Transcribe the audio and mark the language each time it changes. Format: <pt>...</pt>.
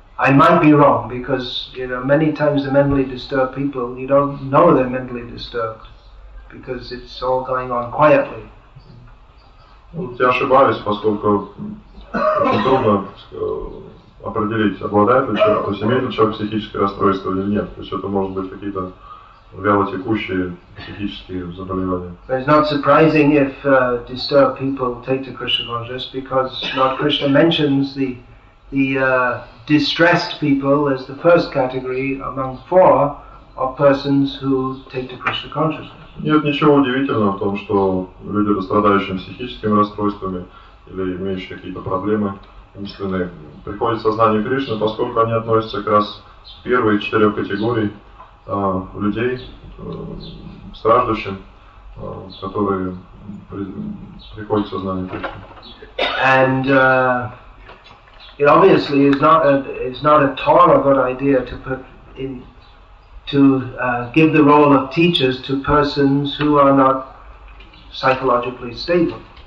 <en>I might be wrong, because you know many times the mentally disturbed people, you don't know they're mentally disturbed. Because it's all going on quietly.</en> <ru>Вот я ошибаюсь, поскольку очень трудно определить, обладает ли человек, то есть имеет ли человек психическое расстройство или нет. То есть это может быть какие-то вялотекущие психические заболевания.</ru> <en>But it's not surprising if disturbed people take to Krishna consciousness, because Lord Krishna mentions the distressed people as the first category among four of persons who take to Krishna consciousness.</en> <ru>Нет ничего удивительного в том, что люди, страдающие психическими расстройствами или имеющие какие-то проблемы, умственные, приходят в сознание Кришны, поскольку они относятся как раз к первой четырех категорий людей, страждущим, которые приходят в сознание Кришны.</ru> <en>And, it obviously is not a tall or good idea to put in to give the role of teachers to persons who are not psychologically stable.</en>